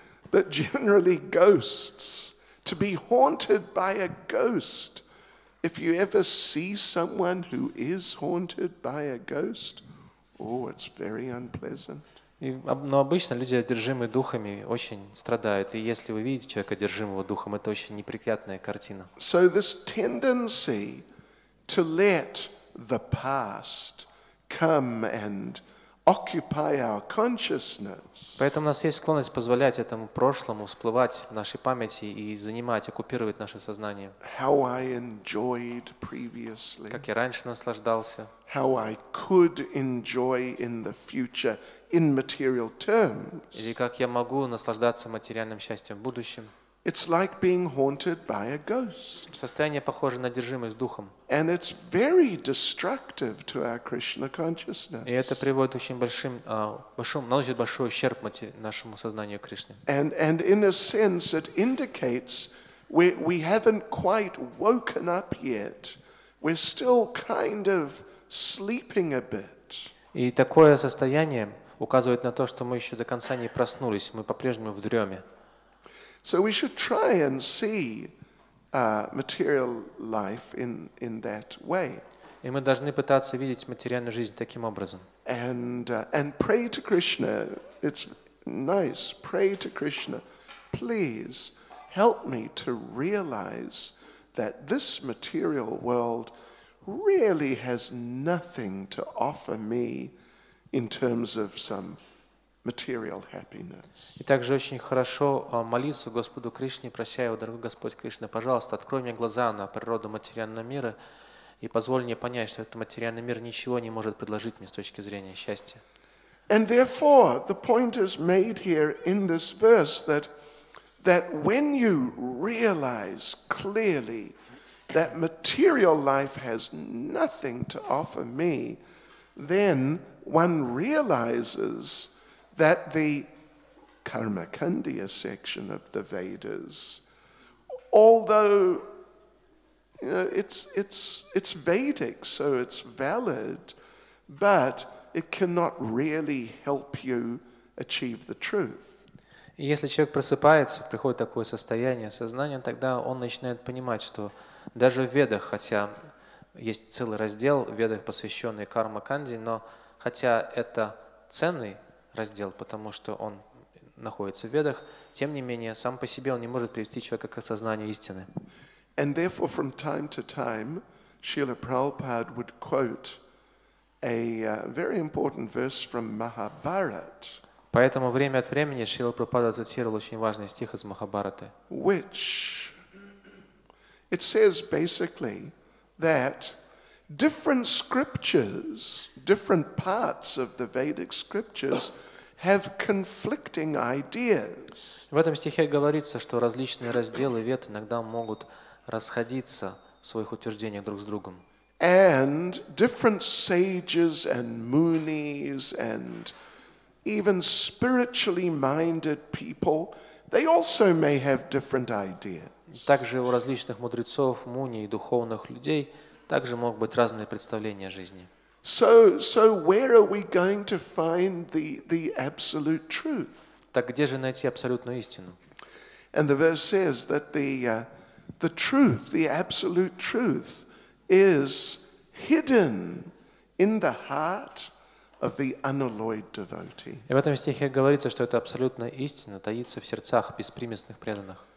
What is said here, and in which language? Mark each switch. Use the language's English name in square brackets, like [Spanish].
[English] But generally ghosts, to be haunted by a ghost, if you ever see someone who is haunted by a ghost, oh, it's very unpleasant. [Russian] Но обычно люди, одержимые духами, очень страдают. И если вы видите человека, одержимого духом, это очень неприятная картина. [English] So this tendency to let the past come and occupy our consciousness. [Russian] Поэтому у нас есть склонность позволять этому прошлому всплывать в нашей памяти и занимать, оккупировать наше сознание. [English] How I enjoyed previously. [Russian] Как я раньше наслаждался. [English] How I could enjoy in the future in material terms. [Russian] Или как я могу наслаждаться материальным счастьем в будущем. [English] It's like being haunted by a ghost. [Russian] Состояние похоже на одержимость духом. [English] And it's very destructive to our Krishna consciousness. [Russian] И это приводит очень большим, наносит большой ущерб нашему сознанию Кришне. [English] And in a sense, it indicates we haven't quite woken up yet. We're still kind of sleeping a bit. [Russian] И такое состояние указывает на то, что мы еще до конца не проснулись, мы по-прежнему в дреме. [English] So we should try and see material life in that way. [Russian] И мы должны пытаться видеть материальную жизнь таким образом. [English] And pray to Krishna. It's nice. Pray to Krishna, please help me to realize that this material world really has nothing to offer me in terms of some material happiness. [Russian] И также очень хорошо молиться Господу Кришне, прося его: дорогой Господь Кришна, пожалуйста, открой мне глаза на природу материального мира и позволь мне понять, что этот материальный мир ничего не может предложить мне с точки зрения счастья. [English] And therefore, the point is made here in this verse that when you realize clearly that material life has nothing to offer me, then one realizes that the Karmakandiya section of the Vedas, although it's Vedic, so it's valid, but it cannot really help you achieve the truth. [Russian] Если человек просыпается, приходит такое состояние сознания, тогда он начинает понимать, что даже в Ведах, хотя есть целый раздел в Ведах, посвященный Кармаканди, но хотя это ценный раздел, потому что он находится в Ведах, тем не менее, сам по себе он не может привести человека к осознанию истины. [English] And therefore, from time to time, Srila Prabhupada would quote a very important verse from Mahabharata. [Russian] Поэтому время от времени Шрила Прабхупада цитировал очень важный стих из Махабхараты. [English] Which it says basically that different scriptures, different parts of the Vedic scriptures have conflicting ideas. [Russian] В этом стихе говорится, что различные разделы Вед иногда могут расходиться в своих утверждениях друг с другом. [English] And different sages and munis and even spiritually minded people, they also may have different ideas. [Russian] Также у различных мудрецов, муни и духовных людей также могут быть разные представления о жизни. [English] So where are we going to find the absolute truth? [Russian] Так где же найти абсолютную истину? [English] And the verse says that the truth, the absolute truth, is hidden in the heart of the unalloyed devotee. [Russian] И в этом стихе говорится, что это абсолютная истина таится в сердцах беспримесных преданных.